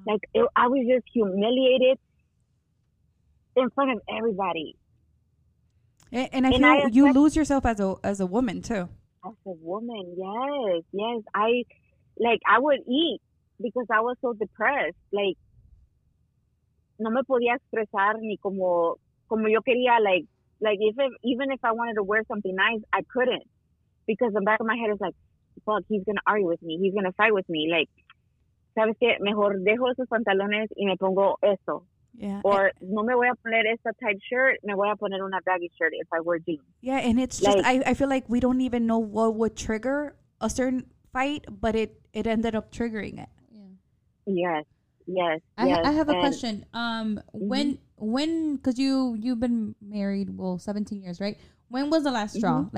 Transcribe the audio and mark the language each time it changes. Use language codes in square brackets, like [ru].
[en] Like, I was just humiliated in front of everybody. And I feel you lose yourself as a woman, too. As a woman, yes, yes. I would eat because I was so depressed. [es] Like, no me podía expresar ni como yo quería. [en] Like even if I wanted to wear something nice, I couldn't. Because the back of my head is like, fuck, he's going to argue with me. He's going to fight with me. Like, [es] ¿sabes qué? Mejor dejo esos pantalones y me pongo esto. [en] Yeah. [es] Or no me voy a poner esta [en] tight shirt. [es] Me voy a poner una [en] baggy shirt if I wear jeans. Yeah, and it's like, just, I feel like we don't even know what would trigger a certain fight, but it ended up triggering it. Yeah. Yes. Yes. I have a question. Mm-hmm. When, because you've been married, 17 years, right? When was the last straw? Mm-hmm.